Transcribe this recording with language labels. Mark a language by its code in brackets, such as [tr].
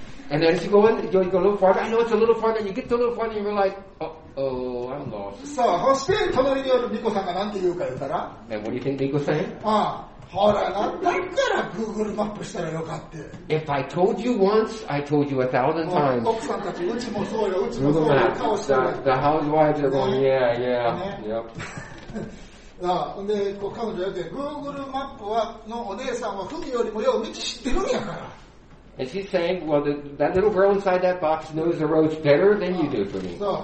[en] And then as you go in, you go a little farther. I know it's a little farther. You get to a little farther and you're like, oh, I'm lost. [ja] So, そして隣にある美子さんが何て言うか言ったら。 [en] And what do you think Miko's saying? [ja] ほら、だから Google マップしたらよかって。 [en] If I told you once, I told you a thousand times. [ja] 奥さんたち、うちもそうよ、うちもそうよ、顔してる。 [en] The housewives are going, yeah, yeah, yep. [ja] なあ、で、こう彼女よって、Google マップはのお姉さんはフミよりもよう道知ってるんやから。 [en] And she's saying, well, that little girl inside that box knows the roads better than you do for me.